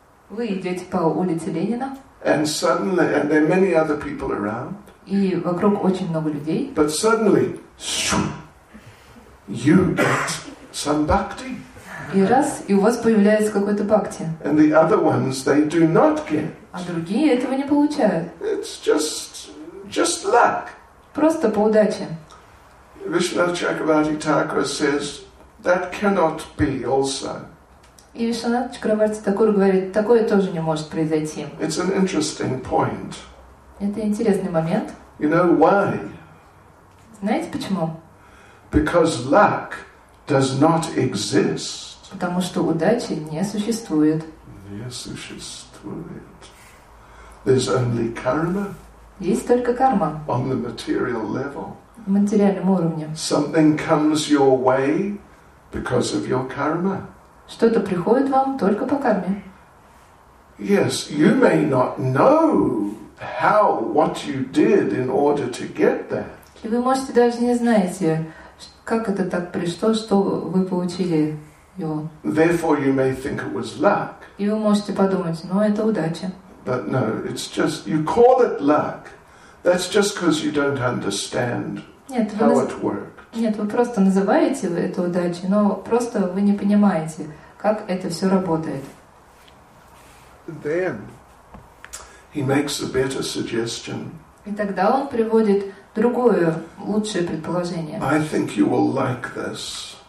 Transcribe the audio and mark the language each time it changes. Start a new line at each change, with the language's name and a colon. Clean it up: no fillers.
Russian: Вы идете по улице Ленина.
English: And suddenly, and there are many other people around.
Russian: И вокруг очень много людей.
English: But suddenly, you get some bhakti.
Russian: И раз, и у вас появляется какой-то бхакти.
English: And the other ones, they do not get.
Russian: А другие этого не получают.
English: It's just luck.
Russian: Просто по удаче.
English: Vishwanath Chakravarti Thakur says that cannot be also.
Russian: И Вишванат Чакраварти Такур говорит, такое тоже не может произойти.
English: It's an interesting point.
Russian: Это интересный момент.
English: You know why?
Russian: Знаете почему?
English: Because luck does not exist.
Russian: Потому что удачи не существует. Не существует.
English: There's only karma.
Russian: Есть только карма.
English: On the material level.
Russian: На материальном уровне.
English: Something comes your way because of your karma.
Russian: Что-то приходит вам только по карме.
English: Yes, you may not know how what you did in order to get that.
Russian: И вы можете даже не знаете, как это так пришло, что вы получили его.
English: Therefore, you may think it was luck.
Russian: И вы можете подумать, ну это удача.
English: But no, it's just you call it luck. That's just because you don't understand how it worked.
Russian: Нет, вы просто называете это удачей, но просто вы не понимаете, как это все работает.
English: Then he makes a better suggestion.
Russian: И тогда он приводит другое, лучшее предположение.
English: I think you will like this.